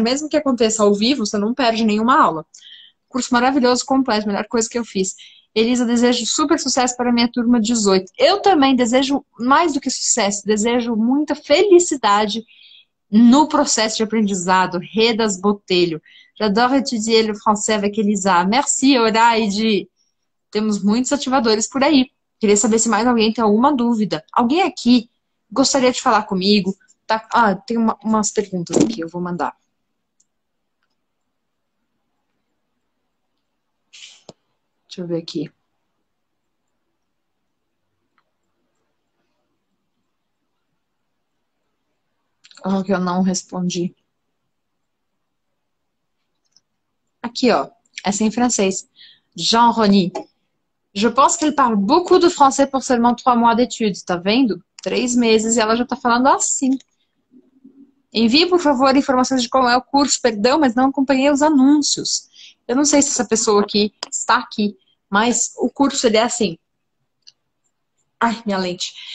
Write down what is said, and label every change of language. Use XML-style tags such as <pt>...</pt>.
<pt>Mesmo que aconteça ao vivo, você não perde nenhuma aula. Curso maravilhoso, completo, melhor coisa que eu fiz. Elisa, desejo super sucesso para minha turma 18. Eu também desejo mais do que sucesso, desejo muita felicidade no processo de aprendizado. Redas Botelho.</pt> <fr>J'adore étudier le français avec Elisa. Merci, Oraide.</fr> <pt>Temos muitos ativadores por aí. Queria saber se mais alguém tem alguma dúvida. Alguém aqui gostaria de falar comigo? Tá. Ah, tem umas perguntas aqui, eu vou mandar. Deixa eu ver aqui. Olha o que eu não respondi. Aqui, ó. Essa é em francês. Jean-Rony.</pt> <fr>Je pense qu'elle parle beaucoup de français pour seulement 3 mois d'études.</fr> <pt>Tá vendo? 3 meses e ela já tá falando assim. Envie, por favor, informações de qual é o curso. Perdão, mas não acompanhei os anúncios. Eu não sei se essa pessoa aqui está aqui. Mas o curso ele é assim. Ai, minha lente.</pt>